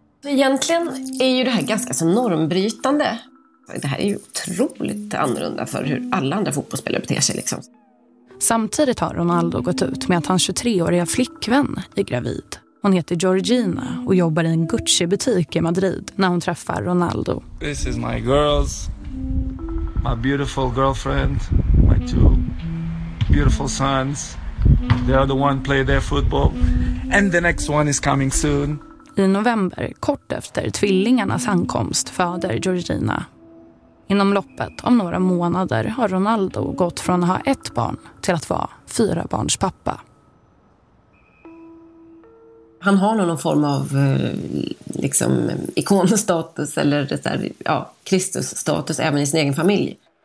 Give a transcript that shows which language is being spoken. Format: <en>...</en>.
<sv>Egentligen är ju det här ganska så normbrytande. Det här är ju otroligt annorlunda för hur alla andra fotbollsspelare beter sig liksom. Samtidigt har Ronaldo gått ut med att hans 23-åriga flickvän är gravid. Hon heter Georgina och jobbar i en Gucci-butik i Madrid när hon träffar Ronaldo.</sv> <en>This is my girls, my beautiful girlfriend, my two beautiful sons. They are the one play their football and the next one is coming soon.</en> <sv>I november, kort efter tvillingarnas ankomst, föder Georgina. Inom loppet av några månader har Ronaldo gått från att ha ett barn till att vara fyra barns pappa. Han har någon form av liksom ikonstatus eller där, ja, Kristusstatus även i sin egen familj.</sv>